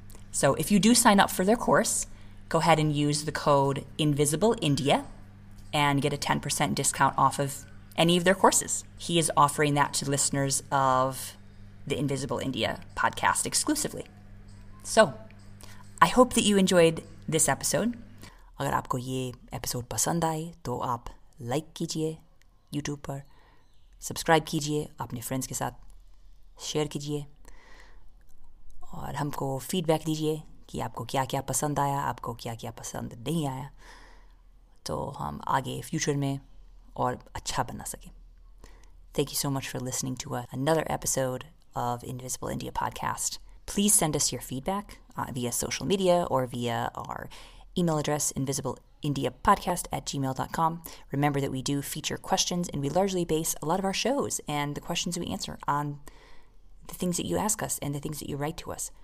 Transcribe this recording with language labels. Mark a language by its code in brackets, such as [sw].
[en] So if you do sign up for their course, go ahead and use the code INVISIBLEINDIA and get a 10% discount off of any of their courses. He is offering that to listeners of the Invisible India podcast exclusively. So, I hope that you enjoyed this episode. [hi] अगर आपको ये episode पसंद आए, तो आप like कीजिए YouTube पर, subscribe कीजिए अपने friends के साथ, share कीजिए, और हमको feedback दीजिए कि आपको क्या-क्या पसंद आया, आपको क्या-क्या पसंद नहीं आया, तो हम आगे future में और अच्छा बना सके. [en] Thank you so much for listening to another episode of Invisible India Podcast. Please send us your feedback via social media or via our email address, invisibleindiapodcast@gmail.com. Remember that we do feature questions, and we largely base a lot of our shows and the questions we answer on the things that you ask us and the things that you write to us.